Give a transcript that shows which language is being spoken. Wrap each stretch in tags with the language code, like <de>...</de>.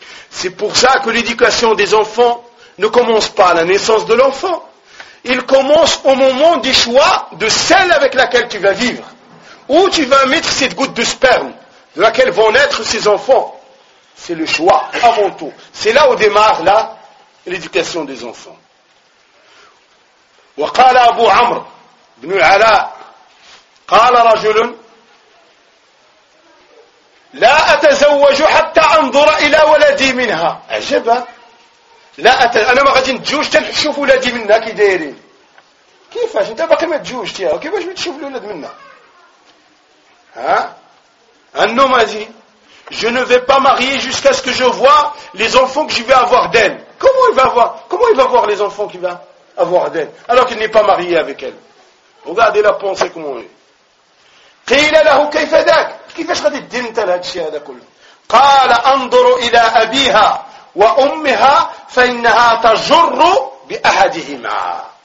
<fr>C'est pour ça que l'éducation des enfants ne commence pas à la naissance de l'enfant. Il commence au moment du choix de celle avec laquelle tu vas vivre. Où tu vas mettre cette goutte de sperme, de laquelle vont naître ces enfants. C'est le choix avant tout. C'est là où démarre là, l'éducation des enfants.</fr> <ar>وقال أبو عمرو بن العلاء قال رجل لا أتزوج حتى أنظر إلى ولدي منها. عجبة. أنا ما غادي نتزوج حتى نشوف ولادي منها كي دايرين. كيفاش أنت باقي ما تزوجت يا كيفاش تشوف الولاد منها؟ ها النومادي</ar> <fr>je ne vais pas marier jusqu'à ce que je vois les enfants que je vais avoir d'elle. Comment il va voir? Comment il va voir les enfants qu'il va avoir d'elle alors qu'il n'est pas marié avec elle? Regardez la pensée comment elle est.</fr> <ar>قيل له كيف ذاك؟ كيفاش غادي دير انت لهذا الشيء هذا كله؟ قال انظر الى ابيها وامها فانها تجر باحدهما.</ar>